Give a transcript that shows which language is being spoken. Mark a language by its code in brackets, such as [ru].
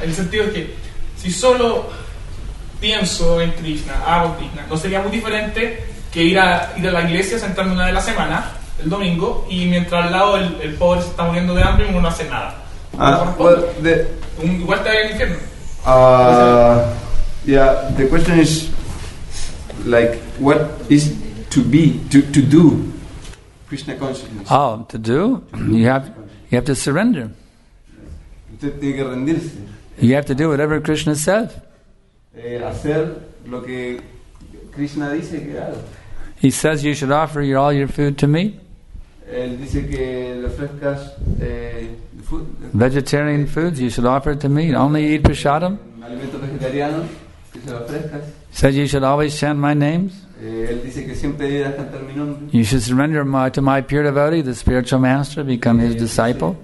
[es] El sentido es que si solo pienso en Krishna, hago Krishna, no sería muy diferente que ir a la iglesia, sentarme una de la semana, el domingo, y mientras al lado el pobre se está muriendo de hambre y uno no hace nada. [en] The question is like, what is to be to do Krishna consciousness? Oh, to do? You have to surrender. [es] Usted usted tiene que rendirse. [en] You have to do whatever Krishna said. [es] Hacer lo que Krishna dice que haga. [en] He says you should offer your, all your food to me. [es] Él dice que le ofrezcas [en] food. Vegetarian foods, you should offer it to me. Only eat prasadam. [es] Alimento vegetariano que se lo ofrezcas. [en] Says you should always chant my names. [es] Él dice que siempre debe cantar mi nombre. [en] You should surrender to my pure devotee, the spiritual master, become his disciple.